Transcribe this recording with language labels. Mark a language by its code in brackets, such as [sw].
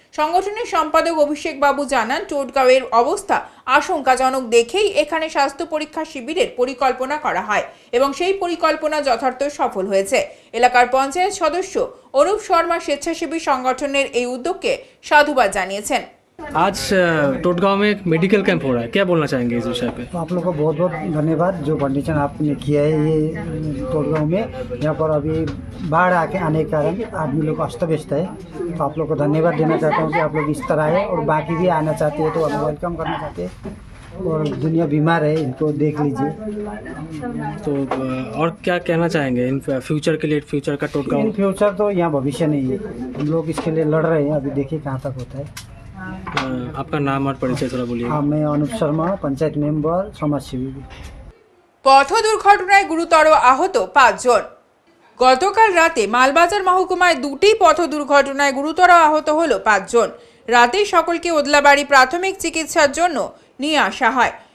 [bn] সংগঠনের সম্পাদক অভিষেক বাবু জানান, টোটগাঁওয়ের অবস্থা আশঙ্কাজনক দেখেই এখানে স্বাস্থ্য পরীক্ষা শিবিরের পরিকল্পনা করা হয় এবং সেই পরিকল্পনা যথার্থ সফল হয়েছে। এলাকার পঞ্চায়েত সদস্য অরূপ শর্মা স্বেচ্ছাসেবী সংগঠনের এই উদ্যোগকে সাধুবাদ জানিয়েছেন। [hi] আজ টোটগাঁও में मेडिकल कैंप हो रहा है, क्या बोलना चाहेंगे इस विषय पे? आप लोगों का बहुत बहुत धन्यवाद जो कंडीशन आपने किया है ये टोटगाँव में। यहाँ पर अभी बाढ़ आके आने के कारण आदमी लोग अस्त व्यस्त है, तो आप लोग को धन्यवाद देना चाहता हूँ कि आप लोग इस तरह आए, और बाकी भी आना चाहते हैं तो हम वेलकम करना चाहते हैं, और दुनिया बीमार है इनको देख लीजिए। तो और क्या कहना चाहेंगे इन फ्यूचर के लिए? फ्यूचर का टोटगाँव, इन फ्यूचर तो यहाँ भविष्य नहीं है, हम लोग इसके लिए लड़ रहे हैं, अभी देखिए कहाँ तक होता है। [bn] আপনার নাম আর পরিচয় থোড়া বলি। আমি অনুপ শর্মা, পঞ্চায়েত মেম্বার, সমাজসেবী। পথ দুর্ঘটনায় গুরুতর আহত পাঁচজন। গতকাল রাতে মালবাজার মহকুমায় দুটি পথ দুর্ঘটনায় গুরুতর আহত হল পাঁচজন। রাতে সকলকে ওদলাবাড়ি প্রাথমিক চিকিৎসার জন্য নিয়ে আসা হয়।